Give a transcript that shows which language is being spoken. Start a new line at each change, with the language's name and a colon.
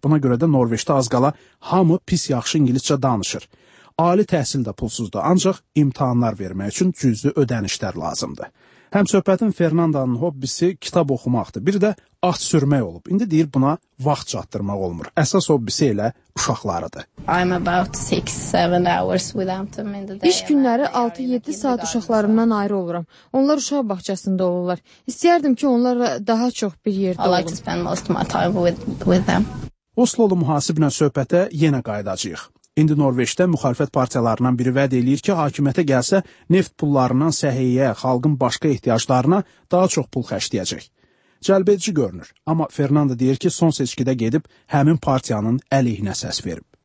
Azerbaijani: Buna görə də Norveçdə az qala hamı pis yaxşı ingiliscə danışır. Ali təhsil də pulsuzdur, ancaq imtahanlar vermək üçün cüzi ödənişlər lazımdır. Həmsöhbətin Fernandanın hobbisi kitab oxumaqdır, bir də at sürmək olub. İndi deyir, buna vaxt çatdırmaq olmur. Əsas hobbisi elə uşaqlarıdır.
English: I'm about 6-7 hours without them in the day.
Azerbaijani: İş günləri 6-7 saat uşaqlarımdan ayrı oluram. Onlar uşaq bağçasında olurlar. İstəyərdim ki, onlarla daha çox bir yerdə olum.
English: I like to spend most of my time with them.
Azerbaijani: Oslolu mühasiblə söhbətə yenə qayıdacaq. İndi Norveçdə müxalifət partiyalarından biri vəd eləyir ki, hakimiyyətə gəlsə, neft pullarından səhiyyə, xalqın başqa ehtiyaclarına daha çox pul xərcləyəcək. Cəlbedici görünür, amma Fernanda deyir ki, son seçkidə gedib həmin partiyanın əleyhinə səs verib.